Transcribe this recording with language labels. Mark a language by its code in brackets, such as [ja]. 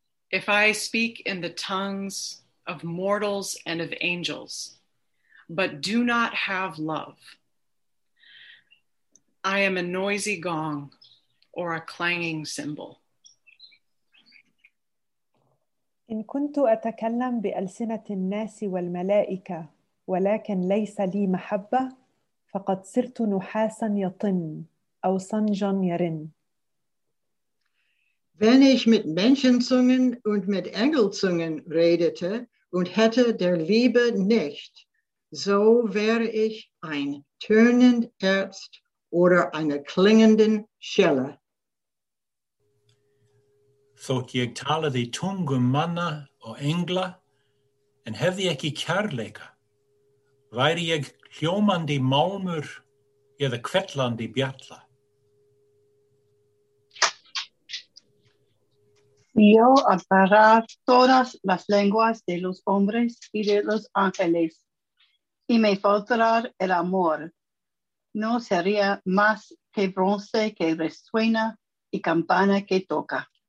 [en] If I speak in the tongues of mortals and of angels, but do not have love, I am a noisy gong or a clanging cymbal. [ar] إن كنت أتكلم بألسنة الناس والملائكة ولكن ليس لي محبة فقد صرت نحاسا يطن أو صنجا يرن. [de] Wenn ich mit Menschenzungen und mit Engelzungen redete und hätte der Liebe nicht, so wäre ich ein tönend Erz oder eine klingenden Schelle. [is] Thok ég talaði tungum manna og engla, en hefði ekki kærleika, væri ég hljómandi málmur eða kvetlandi bjalla. [es] Si yo hablara todas las lenguas de los hombres y de los ángeles y me faltara el amor, no sería más que bronce que resuena y campana que toca.